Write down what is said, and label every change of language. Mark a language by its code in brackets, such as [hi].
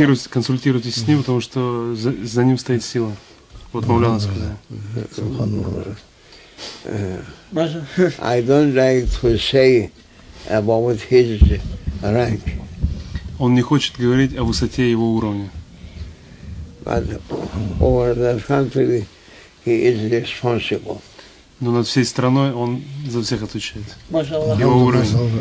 [ru] Консультируйтесь с ним, потому что за ним стоит сила. [en] I don't like to say about his rank. [ru] Он не хочет говорить о высоте его уровня. [en] But over the country he is responsible. [ru] Но над всей страной он за всех отвечает. Его уровень.